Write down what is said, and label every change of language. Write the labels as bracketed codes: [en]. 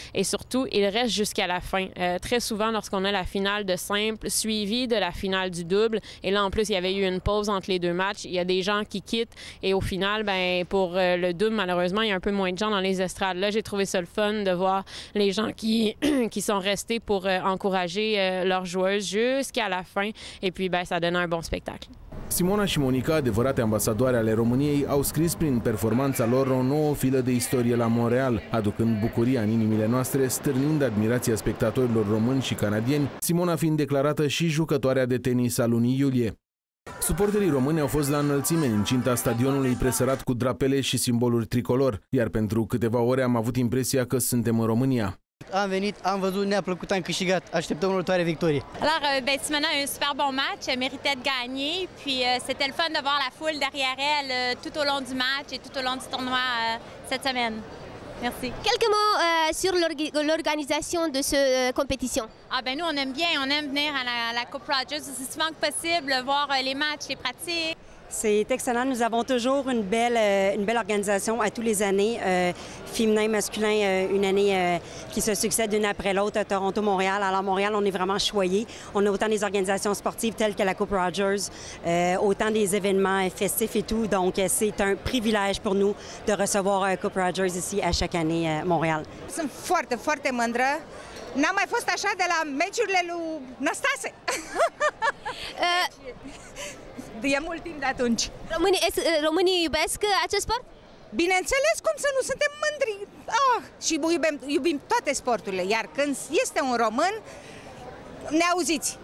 [fr] Et surtout, ils restent jusqu'à la fin. Très souvent, lorsqu'on a la finale de simple suivie de la finale du double, et là, en plus, il y avait eu une pause entre les deux matchs, il y a des gens qui quittent. Et au final, pour le double, malheureusement, il y a un peu moins de gens dans les estrades. Là, j'ai trouvé ça le fun de voir les gens qui sont restés pour encourager leurs joueuses jusqu'à la fin. Et puis, ça a donné un bon spectacle. [ro] Simona și Monica, adevărate ambasadoare ale României, au scris prin performanța lor o nouă filă de istorie la Montreal, aducând bucuria în inimile noastre, stârnind admirația spectatorilor români și canadieni, Simona fiind declarată și jucătoarea de tenis a lunii iulie. Suporterii români au fost la înălțime în cinta stadionului presărat cu drapele și simboluri tricolor, iar pentru câteva ore am avut impresia că suntem în România. Am venit, am văzut, ne-a plăcut, am câștigat. Așteptăm următoare victorie. [fr] Alors, Simona a un super bon match, méritait de gagner, puis c'était le fun de voir la foule derrière elle tout au long du match et tout au long du tournoi cette semaine. Merci. Quelques mots sur l'organisation de ce compétition. Nous on aime bien, on aime venir à la Coupe Rogers aussi souvent que possible, voir les matchs, les pratiques. C'est excellent. Nous avons toujours une belle organisation à tous les années, féminin, masculin, une année qui se succède une après l'autre, Toronto, Montréal. Alors Montréal, on est vraiment choyé. On a autant des organisations sportives telles que la Coupe Rogers, autant des événements festifs et tout. Donc c'est un privilège pour nous de recevoir Coupe Rogers ici à chaque année à Montréal. Je suis très, très mândră. [ro] N-am mai fost așa de la meciurile lui Năstase. E mult timp de atunci. Românii iubesc acest sport? Bineînțeles, cum să nu suntem mândri? Și iubim toate sporturile, iar când este un român, ne auziți.